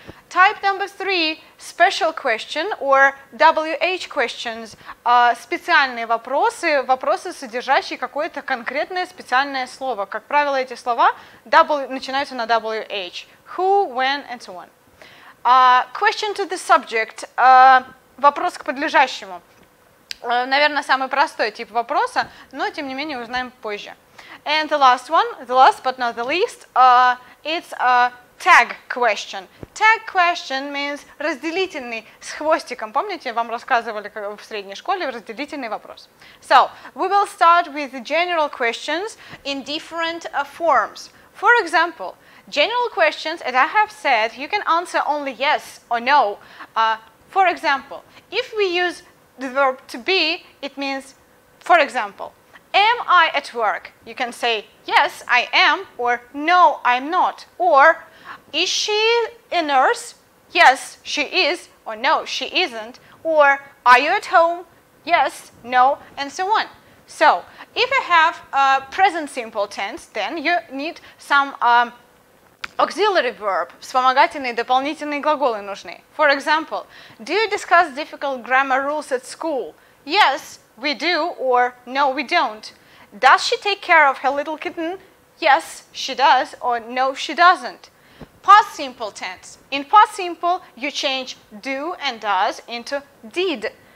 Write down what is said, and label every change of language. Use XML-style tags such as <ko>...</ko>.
<en>Type number three, special question or WH questions,</en> <ru>специальные вопросы, вопросы, содержащие какое-то конкретное специальное слово. Как правило, эти слова начинаются на WH.</ru> <en>Who, when, and so on. Question to the subject,</en> <ru>вопрос к подлежащему. Наверное, самый простой тип вопроса, но, тем не менее, узнаем позже.</ru> <en>And the last one, the last but not the least, it's a tag question. Tag question means</en> <ru>разделительный с хвостиком. Помните, вам рассказывали в средней школе разделительный вопрос.</ru> <en>So, we will start with general questions in different forms. For example, general questions, as I have said, you can answer only yes or no. For example, if we use the verb to be, it means, for example, am I at work? You can say yes, I am, or no, I'm not, or is she a nurse? Yes, she is, or no, she isn't. Or, are you at home? Yes, no, and so on. So, if you have a present simple tense, then you need some auxiliary verb.</en> <ru>Вспомогательные, дополнительные глаголы нужны.</ru> <en>For example, do you discuss difficult grammar rules at school? Yes, we do, or no, we don't. Does she take care of her little kitten? Yes, she does, or no, she doesn't. Past simple tense. In past simple, you change do and does into did.</en>